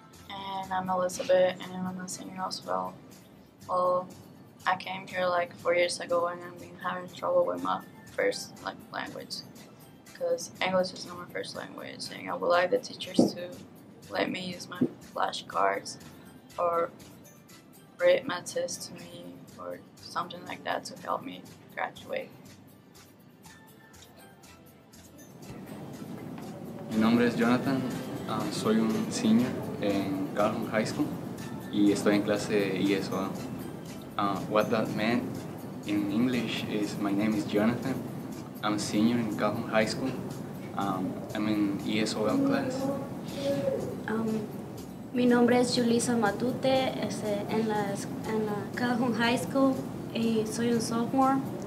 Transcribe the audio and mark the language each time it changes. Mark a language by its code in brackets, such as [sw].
[en] And I'm Elizabeth, and I'm a senior as well. Well, I came here like 4 years ago, and I've been having trouble with my first language, because English is not my first language, and I would like the teachers to let me use my flashcards or write my test to me or something like that to help me graduate. [es] Mi nombre es Jonathan, soy un senior en Calhoun High School y estoy en clase ESOL. [en] What that meant in English is my name is Jonathan, I'm a senior in Calhoun High School, I'm in ESOL class. [es] Mi nombre es Julissa Matute, en la Calhoun High School y soy un sophomore.